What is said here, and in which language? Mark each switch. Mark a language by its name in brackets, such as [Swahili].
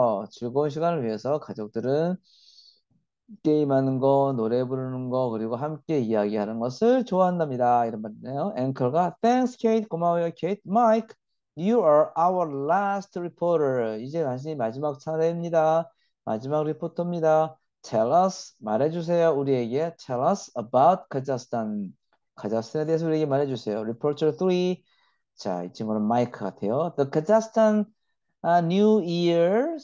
[Korean] 즐거운 시간을 위해서 가족들은 게임하는 거, 노래 부르는 거, 그리고 함께 이야기하는 것을 좋아한답니다. 이런 말이네요. 앵커가 [English] Thanks, Kate. [Korean] 고마워요, [English] Kate. Mike, you are our last reporter. [Korean] 이제 당신이 마지막 차례입니다. 마지막 리포터입니다. [English] Tell us, [Korean] 말해주세요, 우리에게. [English] Tell us about Kazakhstan. [Korean] 카자흐스탄에 대해서 우리에게 말해주세요. [English] Reporter 3. [Korean] 자, 이 친구는 마이크 같아요. [English] The Kazakhstan New Year.